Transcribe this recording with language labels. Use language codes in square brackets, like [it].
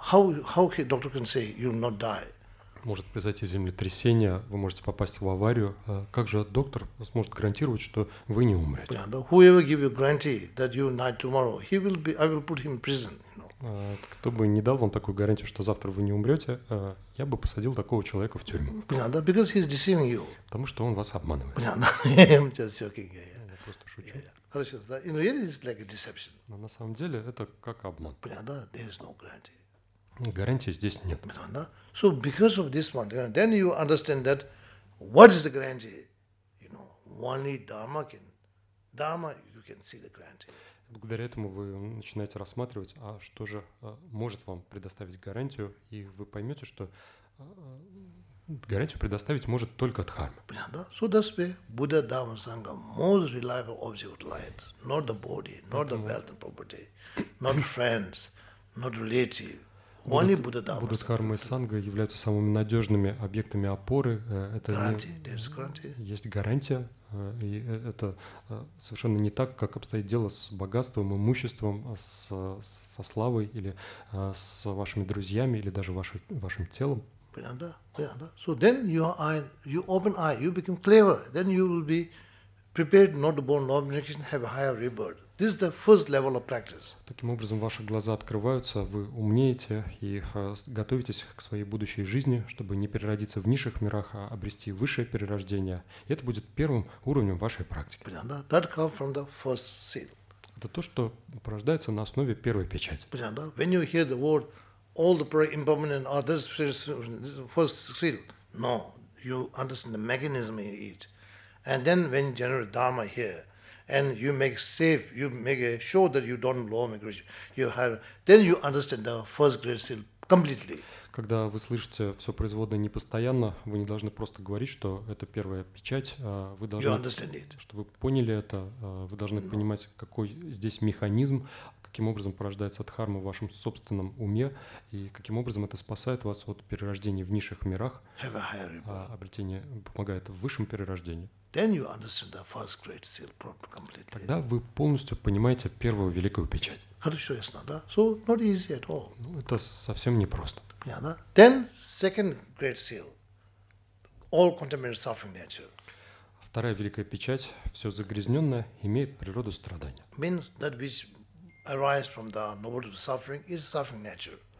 [en] How he, doctor can say, you will not die? [ru] Может произойти землетрясение, вы можете попасть в аварию. Как же доктор сможет гарантировать, что вы не умрете? [en] Whoever give you guarantee that you will die tomorrow, he will be, I will put him in prison. You know. [ru] Кто бы не дал вам такую гарантию, что завтра вы не умрете, я бы посадил такого человека в тюрьму. Понятно? [en] Because he is deceiving you. [ru] Потому что он вас обманывает. Понятно? [en] I'm just joking. Yeah, yeah. [ru] Я просто шучу. [en] Yeah, yeah. [ru] Хорошо, да? [en] In reality, it's like a deception. [ru] Но на самом деле это как обман. Понятно? [en] There is no guarantee. [ru] Гарантии здесь нет. Понятно? [en] So because of this one, then you understand that what is the guarantee? You know, only Dharma can. Dharma, you can see the guarantee. [ru] Благодаря этому вы начинаете рассматривать, а что же может вам предоставить гарантию, и вы поймете, что гарантию предоставить может только Дхарма. Понятно? [en] So that's why Buddha, Dharma, Sangha, most reliable object of life, not the body, not the wealth and property, not friends, not relative. [ru] Буддхарма и Санга являются самыми надежными объектами опоры. Это есть гарантия, и это совершенно не так, как обстоит дело с богатством, имуществом, со славой или с вашими друзьями или даже вашим телом. [en] So then you open eye, you become clever, then you will be prepared not to born no reincarnation, have a higher rebirth. This is the first level of practice. [ru] Таким образом, ваши глаза открываются, вы умнеете и готовитесь к своей будущей жизни, чтобы не переродиться в низших мирах, а обрести высшее перерождение. И это будет первым уровнем вашей практики. Понятно? [en] That comes from the first seal. [ru] Это то, что порождается на основе первой печати. Понятно? [en] When you hear the word all the impermanent are this first seal. No, you understand the mechanism in it. And then when you generate dharma here, and you make safe, you make sure that you don't low migration, you have, then you understand the first great seal completely. [ru] Когда вы слышите все производное непостоянно, вы не должны просто говорить, что это первая печать, вы должны, [en] you understand it. [ru] Чтобы вы поняли это, вы должны no. понимать, какой здесь механизм, каким образом порождается дхарма в вашем собственном уме, и каким образом это спасает вас от перерождения в низших мирах, обретение помогает в высшем перерождении. [en] Then you understand the first great seal completely. [ru] Тогда вы полностью понимаете первую великую печать. Хорошо, ясно, да? [en] So not easy at all. [ru] Ну, это совсем непросто. Понятно? [en] Then second great seal, all contaminated suffering nature. [ru] Вторая великая печать, все загрязненное, имеет природу страдания. [en] Means that which arises from the noble suffering is suffering nature.